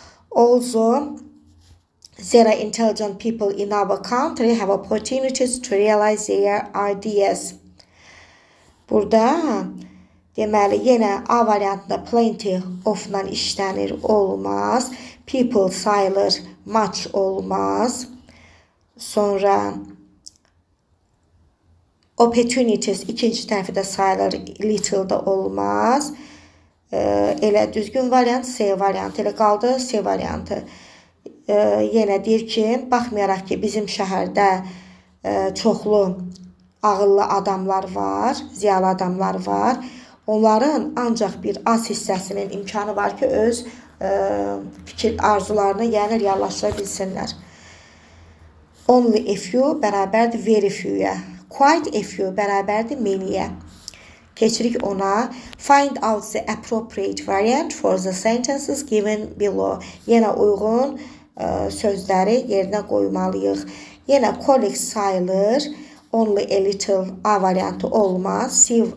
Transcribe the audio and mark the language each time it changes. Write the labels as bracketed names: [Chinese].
[English] Also, there are intelligent people in our country have opportunities to realize their ideas. [Azerbaijani] Burada deməli yenə A variantında plenty of-la işlənir olmaz. People sayılır, much olmaz. Sonra opportunities ikinci tərəfi də sayılır, little da olmaz. Elə düzgün variant C variantı elə qaldı, C variantı. Yenə deyir ki, baxmayaraq ki, bizim şəhərdə çoxlu ağıllı adamlar var, ziyalı adamlar var. Onların ancaq bir az hissəsinin imkanı var ki, öz fikir arzularını yəni reallaşdıra bilsinlər. Only a few bərabərdir very few-yə. Quite a few bərabərdir many-yə. Keçirik ona. [English] Find out the appropriate variant for the sentences given below. [Azerbaijani] Yenə uyğun sözləri yerinə qoymalıyıq. Yenə colleagues sayılır. Only a little A variantı olmaz.